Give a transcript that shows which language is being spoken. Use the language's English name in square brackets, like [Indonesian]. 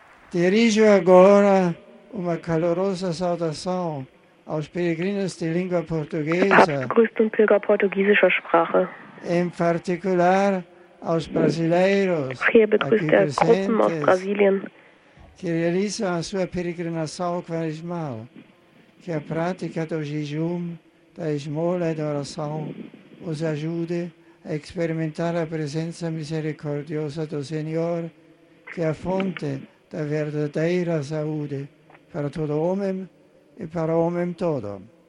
[Portuguese] Dirijo agora una calorosa saudação aos peregrinos de língua portuguesa. [German] Papst grüßt nun Pilger portugiesischer Sprache. [Portuguese] Em particular aos brasileiros. [German] Hier begrüßt er Gruppen aus Brasilien. [Portuguese] Que realizam a sua peregrinação quaresmal, que a prática do jejum, da esmola e da oração os ajude a experimentar a presença misericordiosa do Senhor, que é a fonte da verdadeira saúde para todo homem e para homem todo.